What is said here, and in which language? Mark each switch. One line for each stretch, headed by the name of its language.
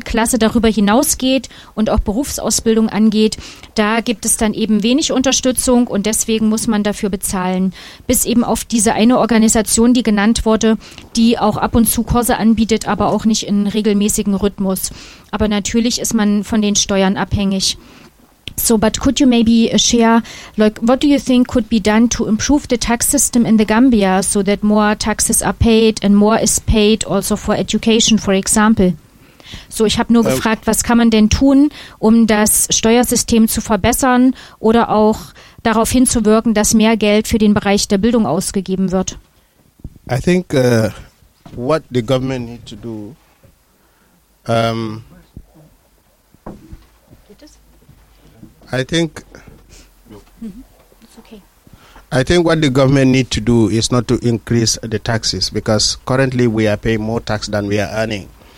German: Klasse darüber hinausgeht und auch Berufsausbildung angeht, da gibt es dann eben wenig Unterstützung und deswegen muss man dafür bezahlen. Bis eben auf diese eine Organisation, die genannt wurde, die auch ab und zu Kurse anbietet, aber auch nicht in regelmäßigen Rhythmus. Aber natürlich ist man von den Steuern abhängig.
English: So, but could you maybe share, like, what do you think could be done to improve the tax system in the Gambia so that more taxes are paid and more is paid also for education, for example?
German: So, ich habe nur gefragt, was kann man denn tun, um das Steuersystem zu verbessern oder auch darauf hinzuwirken, dass mehr Geld für den Bereich der Bildung ausgegeben wird?
English: I think what the government needs to do... I think I think what the government need to do is not to increase the taxes, because currently we are paying more tax than we are earning.